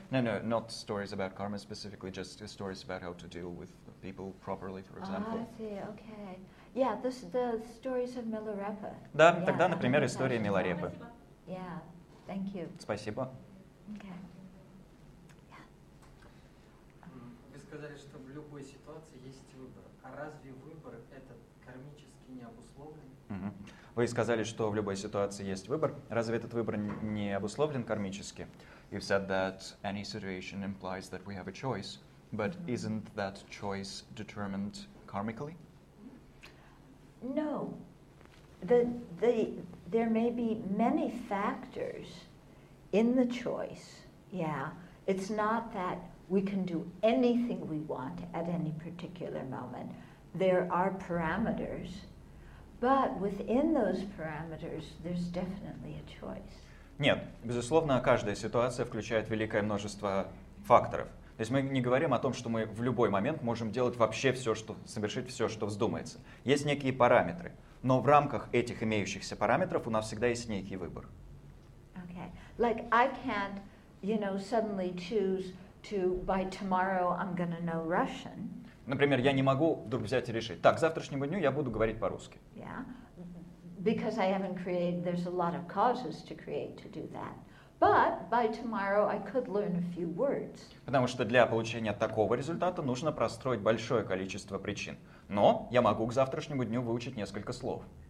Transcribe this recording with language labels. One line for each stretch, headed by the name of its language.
English: No, not stories about karma specifically, just stories about how to deal with people properly, for example. I see, okay. Yeah, the stories of Milarepa.
Russian: Да, yeah, тогда, например, история Миларепы.
English: Yeah, thank you.
Russian: Спасибо.
English: Okay.
Russian: Вы сказали, что в любой ситуации есть выбор. А разве выбор этот кармически не обусловлен? Mm-hmm. Вы сказали, что в любой ситуации есть выбор. Разве этот выбор не обусловлен кармически?
English: You've said that any situation implies that we have a choice, but mm-hmm. isn't that choice determined karmically? No. There may be many factors in the choice. Yeah. It's not that we can do anything we want at any particular moment. There are parameters, but within those parameters, there's definitely a choice.
Russian: Нет, безусловно, каждая ситуация включает великое множество факторов. То есть мы не говорим о том, что мы в любой момент можем делать вообще все, что совершить все, что вздумается. Есть некие параметры, но в рамках этих имеющихся параметров у нас всегда есть некий выбор.
English: Okay, like I can't, you know, suddenly choose to by tomorrow I'm gonna know Russian.
Russian: Например, я не могу вдруг взять и решить. Так, к завтрашнему дню я буду говорить по-русски.
English: Yeah. Because I haven't created, there's a lot of causes to create to do that. But by tomorrow I could learn a few words.
Russian: Потому что для получения такого результата нужно простроить большое количество причин. Но я могу к завтрашнему дню выучить несколько слов.